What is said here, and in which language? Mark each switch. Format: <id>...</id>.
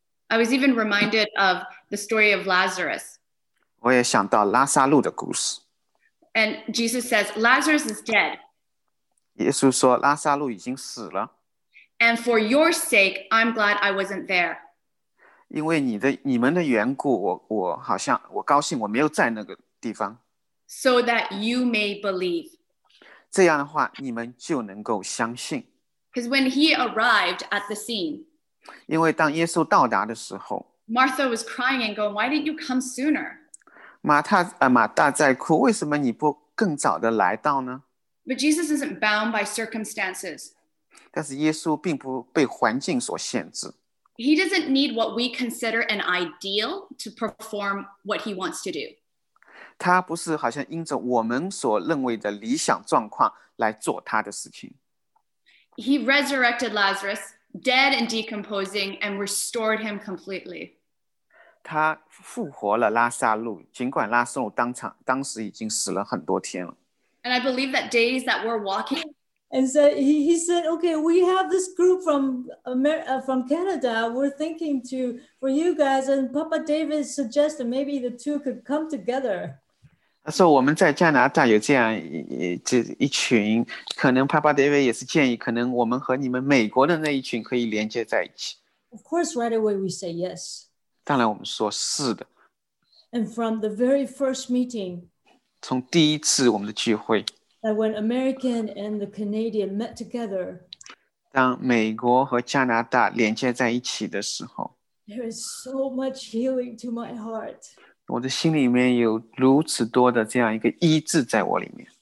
<en>I was even reminded of the story of Lazarus.</en> <zh>我也想到拉撒路的故事。</zh> <en>And Jesus says, Lazarus is dead.</en> <zh>耶稣说拉撒路已经死了。</zh> <en>And for your sake, I'm glad I wasn't there.</en> <zh>因为你们的缘故，我高兴我没有在那个地方。</zh> <en>So that you may believe.</en> <zh>这样的话，你们就能够相信。</zh> <en>Because when he arrived at the scene,</en> <zh>因为当耶稣到达的时候</zh> <en>Martha was crying and going, why didn't you come sooner?</en> <zh>马大在哭，为什么你不更早的来到呢？</zh> <en>But Jesus isn't bound by circumstances.</en> <zh>但是耶稣并不被环境所限制。</zh> <en>He doesn't need what we consider an ideal to perform what he wants to do.</en> <zh>他不是好像因着我们所认为的理想状况来做他的事情。</zh> <en>He resurrected Lazarus. Dead and decomposing, and restored him completely.</en> <zh>他复活了拉撒路，尽管拉撒路当时已经死了很多天了。</zh> <en>And I believe that days that we're walking. And so he said, okay, we have this group from Canada. We're thinking for you guys, and Papa David suggested maybe the two could come together.</en> <zh>他说我们在加拿大有这样一群，可能 Papa David 也是建议，可能我们和你们美国的那一群可以连接在一起。</zh> <en>Of course, right away we say yes.</en> <zh>当然我们说是的。</zh> <en>And from the very first meeting,</en> <zh>从第一次我们的聚会</zh> <en>that when American and the Canadian met together,</en> <zh>当美国和加拿大连接在一起的时候</zh> <en>there is so much healing to my heart.</en> <zh>我的心里面有如此多的这样一个医治在我里面。</zh>